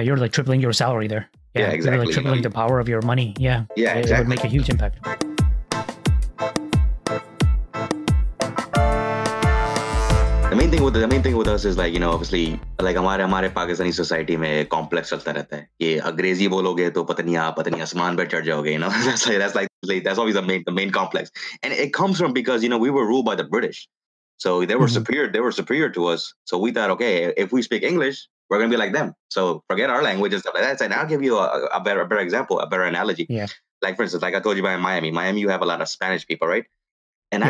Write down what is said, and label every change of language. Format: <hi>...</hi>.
<en>You're like tripling your salary there. Yeah, exactly. You're like tripling the power of your money. Yeah. Yeah, exactly. It would make a huge impact. The main thing with us is like, you know, obviously, like</en> <hi>हमारे Pakistani society में complex चलता रहता है. ये अंग्रेजी बोलोगे तो पतनी आसमान पर चढ़ जाओगे,</hi> <en>you know. That's always the main complex, and it comes from because you know we were ruled by the British, so they were superior. They were superior to us, so we thought, okay, if we speak English, we're gonna be like them. So forget our language and stuff like that. And I'll give you a better example, a better analogy. Yeah. Like for instance, like I told you about Miami, you have a lot of Spanish people, right? And yeah.</en>